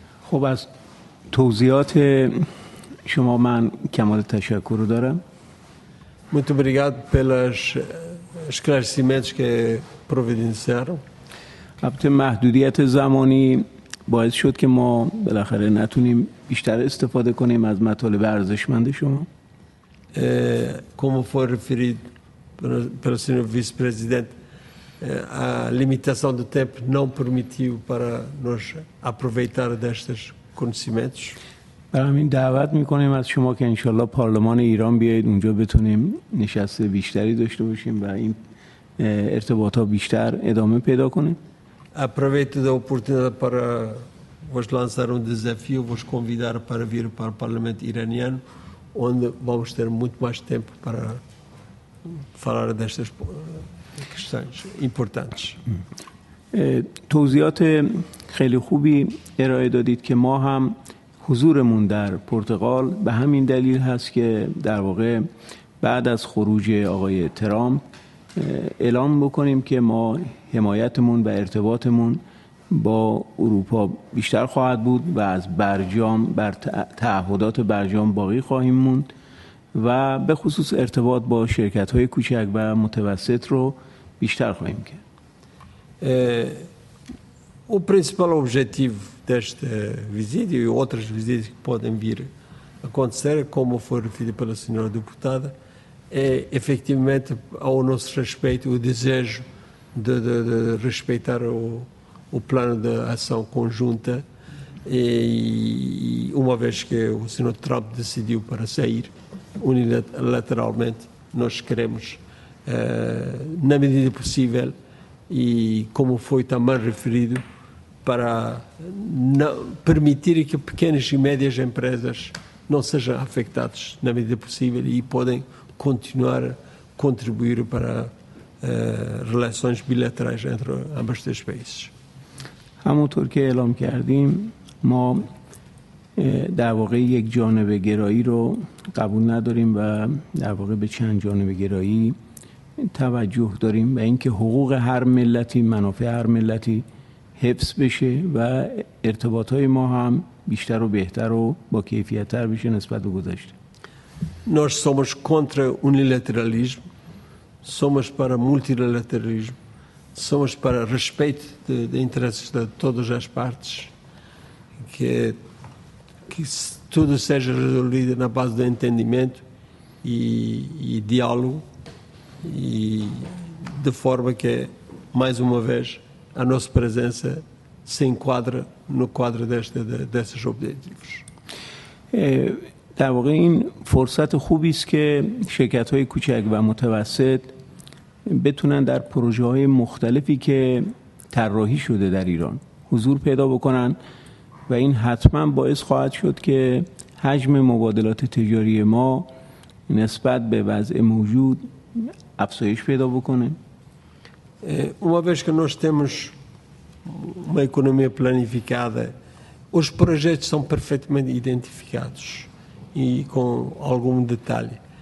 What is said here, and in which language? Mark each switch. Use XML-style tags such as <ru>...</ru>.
<fa>خب از توضیحات شما من کمال تشکر رو دارم.</fa> <pt>Muito obrigado pelas esclarecimentos que providenciaram.</pt> <fa>البته محدودیت زمانی باعث شد که ما بالاخره نتونیم بیشتر استفاده کنیم از مطالب ارزشمند شما.</fa> <pt>Como foi referido pelo senhor vice-presidente, a limitação do tempo não permitiu para nós aproveitar destes conhecimentos.</pt> <fa>برای این دعوت میکنیم از شما که انشالله پارلمان ایران بیاید اونجا بتونیم نشست بیشتری داشته باشیم و این ارتباط ها بیشتر ادامه پیدا کنه.</fa> <pt>Aproveito da oportunidade para vos lançar desafio, vos convidar para vir para o parlamento iraniano, onde vamos ter muito mais tempo para falar destas questões importantes.</pt> <fa>توضیحات خیلی خوبی ارائه دادید که ما هم حضورمون در پرتغال به همین دلیل هست که در واقع بعد از خروج آقای ترامپ اعلام بکنیم که ما حمایتمون و ارتباطمون با اروپا بیشتر خواهد بود و از برجام بر تعهدات برجام باقی خواهیم موند و به خصوص ارتباط با شرکت های کوچک و متوسط رو بیشتر خواهیم کرد.</fa> <pt>O principal objetivo desta visita e outras visitas que podem vir acontecer, como foi referido pela senhora deputada, é efetivamente ao nosso respeito o desejo de respeitar o plano de ação conjunta e uma vez que o senhor Trump decidiu para sair unilateralmente, nós queremos na medida possível e como foi também referido para permitir que pequenas e médias empresas não sejam afetadas na medida possível e podem continuar a contribuir para relações bilaterais entre ambos os países.</pt> <fa>همونطور که اعلام کردیم ما در واقع یک جانبه گرایی رو قبول نداریم و در واقع به چند جانبه گرایی توجه داریم و اینکه حقوق هر ملتی منافع هر ملتی حفظ بشه و ارتباطات ما هم بیشتر و بهتر و با کیفیت تر بشه نسبت به گذشته.</fa> <pt>Nós somos contra o unilateralismo, somos para multilateralismo. Somos para respeito de interesses de todas as partes, que tudo seja resolvido na base do entendimento e diálogo, e de forma que, mais uma vez, a nossa presença se enquadre no quadro destes objetivos.</pt> <fa>در واقع این فرصت خوبی است که شرکت‌های کوچک و متوسط بتونن در پروژه های مختلفی که طراحی شده در ایران حضور پیدا بکنن و این حتما باعث خواهد شد که حجم مبادلات تجاری ما نسبت به وضع موجود افزایش پیدا بکنه.</fa> <pt>Uma vez que nós temos uma economia planificada, os projetos são perfeitamente identificados e com algum detalhe.</pt>